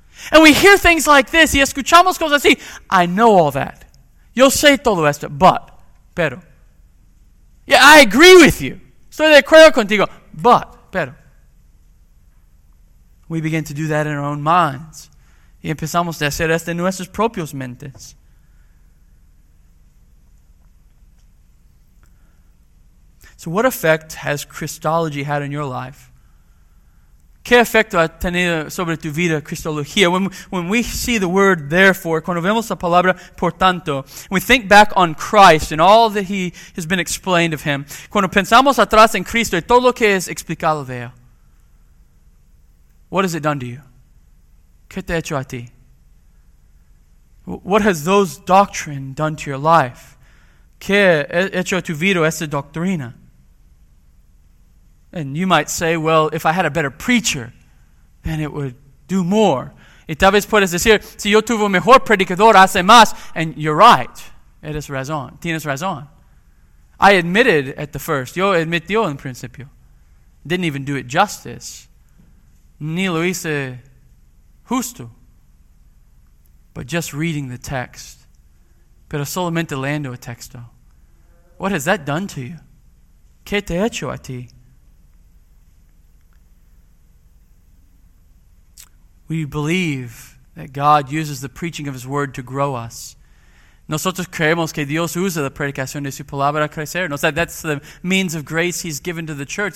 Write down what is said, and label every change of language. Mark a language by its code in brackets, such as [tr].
[en] And we hear things like this, [es] y escuchamos cosas así, [en] I know all that. [es] Yo sé todo esto, pero. [en] Yeah, I agree with you. [es] Estoy de acuerdo contigo, pero. [en] We begin to do that in our own minds. [es] Y empezamos a hacer esto en nuestras propias mentes. [en] So what effect has Christology had on your life? [es] ¿Qué efecto ha tenido sobre tu vida Cristología? [en] When we see the word therefore, [es] cuando vemos la palabra por tanto, [en] we think back on Christ and all that he has been explained of him. [es] Cuando pensamos atrás en Cristo y todo lo que es explicado de él, [en] what has it done to you? [es] ¿Qué te ha hecho a ti? [en] What has those doctrine done to your life? [es] ¿Qué ha hecho a tu vida esa doctrina? [en] And you might say, well, if I had a better preacher, then it would do more. [es] Y tal vez puedes decir, si yo tuve un mejor predicador, hace más. [en] And you're right. [es] Eres razón. Tienes razón. [en] I admitted at the first. [es] Yo admitió en principio. [en] Didn't even do it justice. [es] Ni lo hice justo. [en] But just reading the text. [es] Pero solamente leyendo el texto. [en] What has that done to you? [es] ¿Qué te ha hecho a ti? [en] We believe that God uses the preaching of His Word to grow us. [es] Nosotros creemos que Dios usa la predicación de su palabra a crecer. [en] No, that's the means of grace He's given to the church.